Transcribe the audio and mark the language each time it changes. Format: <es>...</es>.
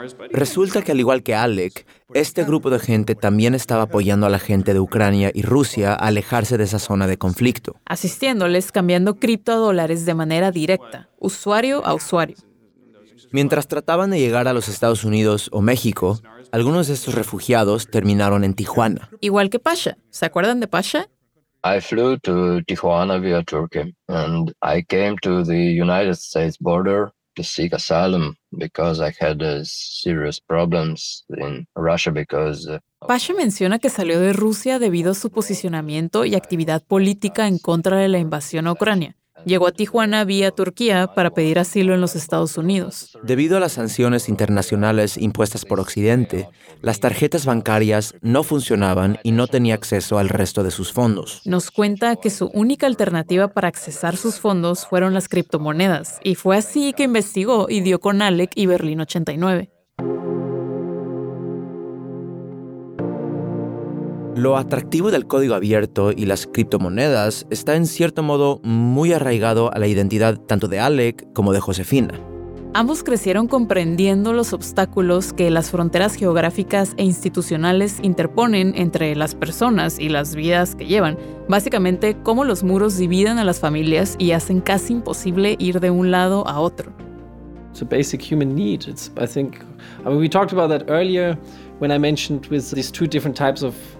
<es>Resulta que, al igual que Alec, este grupo de gente también estaba apoyando a la gente de Ucrania y Rusia a alejarse de esa zona de conflicto. Asistiéndoles, cambiando cripto a dólares de manera directa, usuario a usuario. Mientras trataban de llegar a los Estados Unidos o México, algunos de estos refugiados terminaron en Tijuana. Igual que Pasha. ¿Se acuerdan de Pasha?</es> <en>I flew to Tijuana via Turkey, and I came to the United States border to seek asylum because I had serious problems in Russia because...</en> <es>Pasha menciona que salió de Rusia debido a su posicionamiento y actividad política en contra de la invasión a Ucrania. Llegó a Tijuana vía Turquía para pedir asilo en los Estados Unidos. Debido a las sanciones internacionales impuestas por Occidente, las tarjetas bancarias no funcionaban y no tenía acceso al resto de sus fondos. Nos cuenta que su única alternativa para accesar sus fondos fueron las criptomonedas, y fue así que investigó y dio con Alec y Berlín 89. Lo atractivo del código abierto y las criptomonedas está en cierto modo muy arraigado a la identidad tanto de Alec como de Josefina. Ambos crecieron comprendiendo los obstáculos que las fronteras geográficas e institucionales interponen entre las personas y las vidas que llevan. Básicamente, cómo los muros dividen a las familias y hacen casi imposible ir de un lado a otro.</es> <en>It's a basic human need. We talked about that earlier when I mentioned with these two different types of</en>